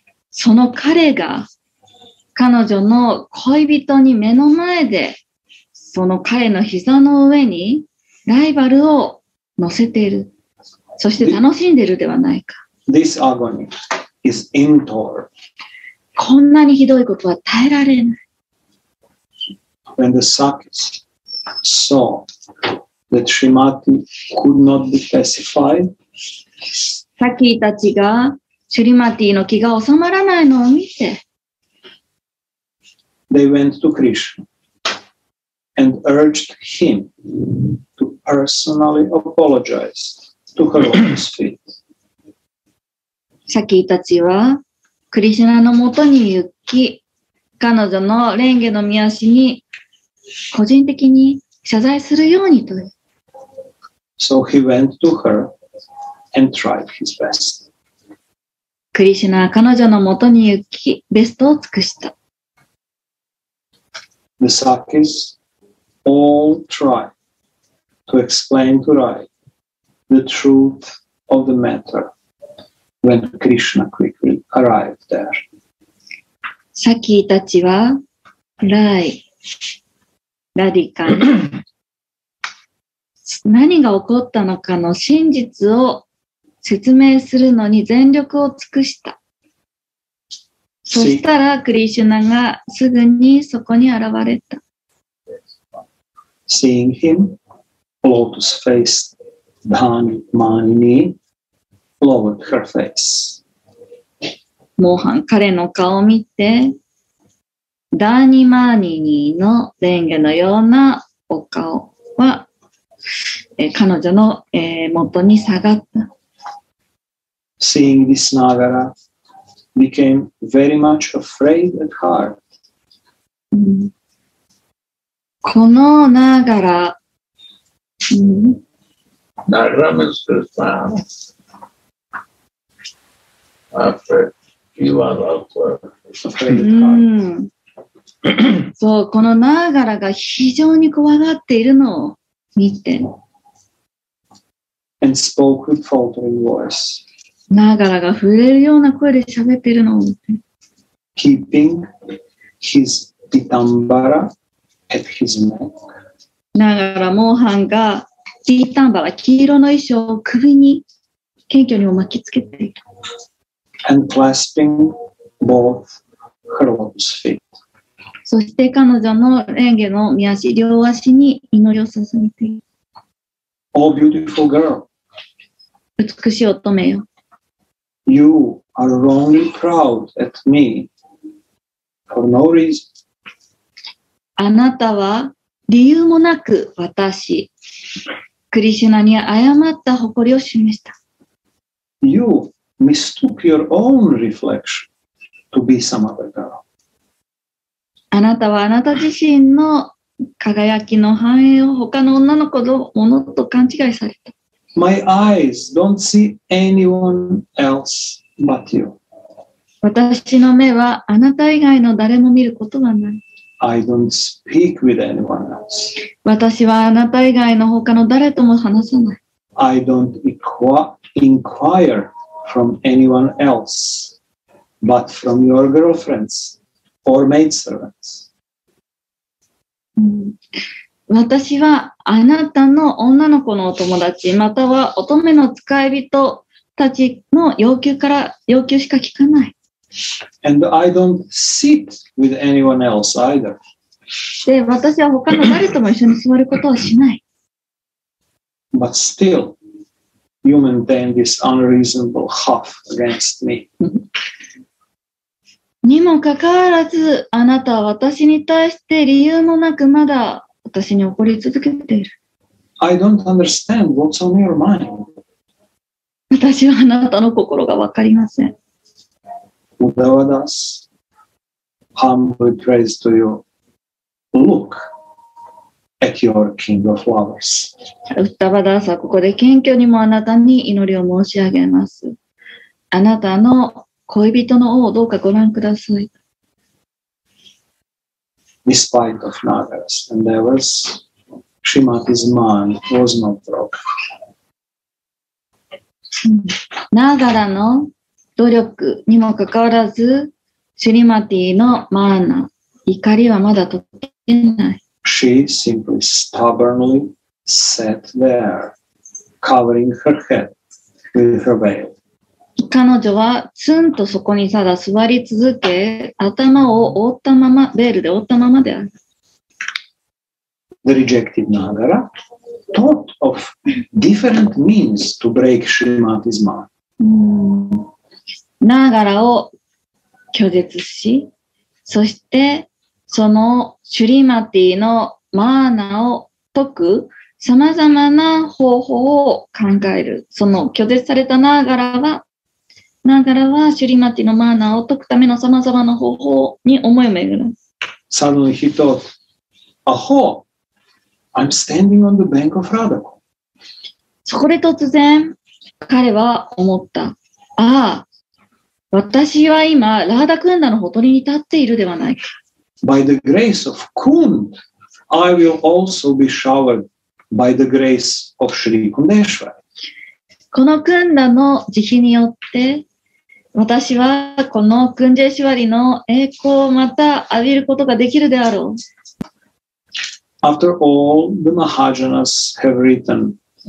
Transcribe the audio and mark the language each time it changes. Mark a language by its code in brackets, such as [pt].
[ja] その彼が彼女の恋人に目の前で、その彼の膝の上にライバルを乗せている。そして楽しんでいるではないか。 [en] This agony is intolerable. [ja] こんなにひどいことは耐えられない。 [en] When the Sakis saw that Srimati could not be pacified, [ja] サキたちがシュリマティの気が収まらないのを見て、 [en] They went to Krishna and urged him to personally apologize to her lotus feet. [ja] サキたちはクリシュナのもとに行き、彼女の蓮華の御足に個人的に謝罪するようにと。 [en] So he went to her and tried his best. [ja] クリシュナは彼女のもとに行き、ベストを尽くした。 [en] The Sakis all try to explain to Rai the truth of the matter when Krishna quickly arrived there. [ja] サキたちは、ライ、ラディカン、何が起こったのかの真実を説明するのに全力を尽くした。そしたらクリシュナがすぐにそこに現れた。 [en] Seeing him, lotus faced Dhani Manini lowered her face. [ja] モハン、彼の顔を見て、ダーニマーニニーの蓮華のようなお顔は、彼女の、元に下がった。 [en] Seeing this Nagara became very much afraid at heart. [ja] このナーガラ、 [en] ナーガラ means to stand after you are not afraid at heart. [ja] そう、このナーガラが非常に怖がっているのを見て。 [en] And spoke with faltering voice. [ja] ナーガラが震えるような声で喋っているのを見て。 [en] Keeping his ditambara at his neck. [ja] ナーガラモーハンがディタンバラ、黄色の衣装を首に謙虚にも巻きつけている [en] 。 And clasping both her lotus feet. [ja] そして彼女の蓮華の御足、両足に祈りを捧げている [en] 。 Oh, beautiful girl. [ja] 美しい乙女よ。 [en] You are wrongly proud at me for no reason. [ja] あなたは理由もなく私、クリシュナに誤った誇りを示した。 [en] You mistook your own reflection to be some other girl. [ja] あなたはあなた自身の輝きの反映を他の女の子のものと勘違いされた。 [en] My eyes don't see anyone else but you. [ja] 私の目はあなた以外の誰も見ることがない。 [en] I don't speak with anyone else. [ja] 私はあなた以外の他の誰とも話さない。 [en] I don't inquire from anyone else but from your girlfriends. Or maidservants. [ja] 私はあなたの女の子のお友達または乙女の使い人たちの要求から要求しか聞かない。 [en] And I don't sit with anyone else either. [ja] で、私は他の誰とも一緒に座ることはしない。 [en] But still, you maintain this unreasonable huff against me. [ja] にもかかわらず、あなたは私に対して理由もなくまだ私に怒り続けている。 [en] I don't understand what's on your mind. [ja] 私はあなたの心がわかりません。 [en] Udava das, humbly praise to you. Look at your King of Lovers. [ja] ウッタバダーサ、ここで謙虚にもあなたに祈りを申し上げます。あなたの恋人の王をどうかご覧ください。 [en] Despite of Nagara's endeavors, Shrimati's mind was not broken. [ja] Nagara の努力にもかかわらず、シュリマティのマーナ、怒りはまだ解けない。 [en] She simply stubbornly sat there, covering her head with her veil. [ja] 彼女はツンとそこにただ座り続け、頭を覆ったまま、ベールで覆ったままである。 [en] The rejected Nagara thought of different means to break Shrimati's mind. [ja] Nagaraを拒絶し、そしてそのシュリマティのマーナを解くさまざまな方法を考える。その拒絶されたナーガラはシュリマティのマーナを解くためのさまざまな方法に思いを巡る。 [en] Suddenly he thought, Aho, I'm standing on the bank of Radhako. [ja] そこで突然彼は思った。ああ、私は今、ラーダクンダのほとりに立っているではないか。 [en] By the grace of Kund, I will also be showered by the grace of Sri Kundeshwar. [ja] このクンダの慈悲によって、私はこのクンジェシュワリの栄光をまた浴びることができるであろう。 [en] After all the Mahajanas have written,